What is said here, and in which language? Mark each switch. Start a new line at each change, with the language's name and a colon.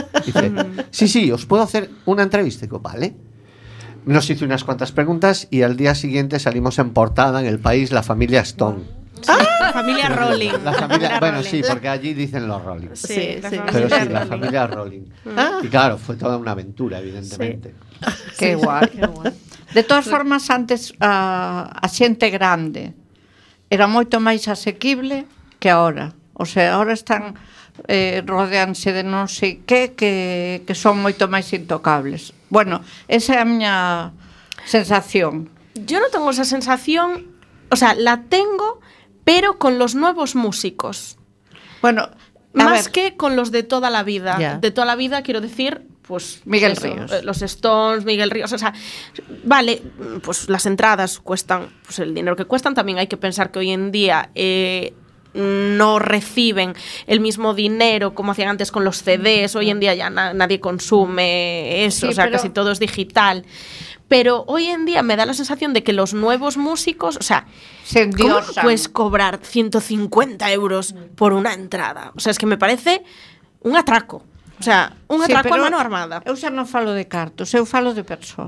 Spanish: Dice, sí, sí, os puedo hacer una entrevista. Digo, vale. Nos hizo unas cuantas preguntas y al día siguiente salimos en portada en el País, la familia Stone. Sí, la familia Rowling. Bueno, sí, porque allí dicen los Rowling. Sí, sí. Pero sí, la familia Rowling. Y claro, fue toda una aventura, evidentemente. Sí. Qué guay.
Galician: De todas formas, antes a xente grande era moito máis asequible que ahora.
Spanish: O sea, ahora están
Galician: rodeanse de non sei que, que son moito máis intocables. Bueno, esa é a miña sensación.
Spanish: Yo non tengo esa sensación. O sea, la tengo, pero con los nuevos músicos. Bueno, más que con los de toda la vida. Yeah. De toda la vida, quiero decir, pues Miguel Ríos. Los Stones, Miguel Ríos. O sea, vale, pues las entradas cuestan pues el dinero que cuestan. También hay que pensar que hoy en día no reciben el mismo dinero como hacían antes con los CDs. Hoy en día ya nadie consume eso. Sí, o sea, pero casi todo es digital. Pero hoy en día me da la sensación de que los nuevos músicos, o sea, se endiosan. ¿Cómo puedes cobrar 150 euros por una entrada? O sea, es que me parece un atraco. O sea, un atraco a mano armada.
Galician: Eu xa non falo de cartos, eu falo de persoas.